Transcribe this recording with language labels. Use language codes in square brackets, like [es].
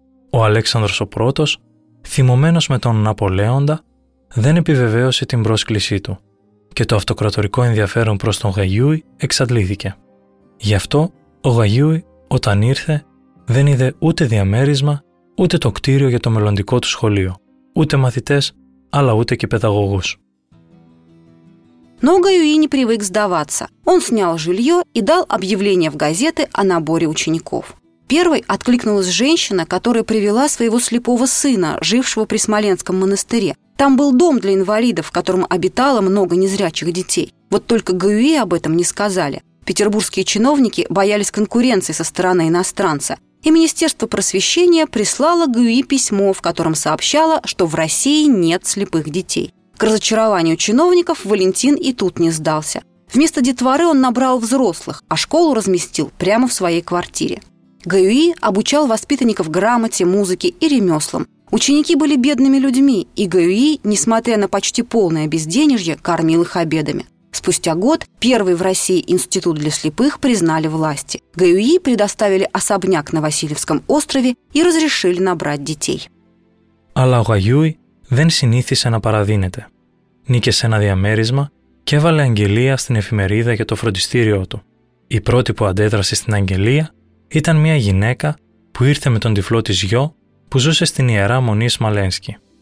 [el] Ο Αλέξανδρος ο Πρώτος, θυμωμένος με τον Ναπολέοντα, δεν επιβεβαίωσε την πρόσκλησή του και το αυτοκρατορικό ενδιαφέρον προς τον Γαγιούι εξαντλήθηκε. Γι' αυτό ο Γαγιούι όταν ήρθε δεν είδε ούτε διαμέρισμα ούτε το κτίριο για το μελλοντικό του σχολείο, ούτε μαθητές, αλλά ούτε και παιδαγωγούς. [ru] Но Гюи не привык сдаваться. Он снял жилье и дал объявление в газеты о наборе учеников. Первой откликнулась женщина, которая привела своего слепого сына, жившего при Смоленском монастыре. Там был дом для инвалидов, в котором обитало много незрячих детей. Вот только Гюи об этом не сказали. Петербургские чиновники боялись конкуренции со стороны иностранца. и Министерство просвещения прислало Гюи письмо, в котором сообщало, что в России нет слепых детей. К разочарованию чиновников Валентин и тут не сдался. Вместо детворы он набрал взрослых, а школу разместил прямо в своей квартире. Гюи обучал воспитанников грамоте, музыке и ремеслам. Ученики были бедными людьми, и Гюи, несмотря на почти полное безденежье, кормил их обедами. Спустя год первый в России институт для слепых признали власти. Гюи предоставили особняк на Васильевском острове и разрешили набрать детей. [el] Αλλά ο Γαγιούι δεν συνήθισε να παραδίνεται. Νίκησε ένα διαμέρισμα και έβαλε αγγελία στην εφημερίδα για το φροντιστήριό του. Η πρώτη που αντέδρασε στην αγγελία ήταν μια γυναίκα που ήρθε με τον τυφλό της γιο που ζούσε στην Ιερά Μονή Σμαλένσκι.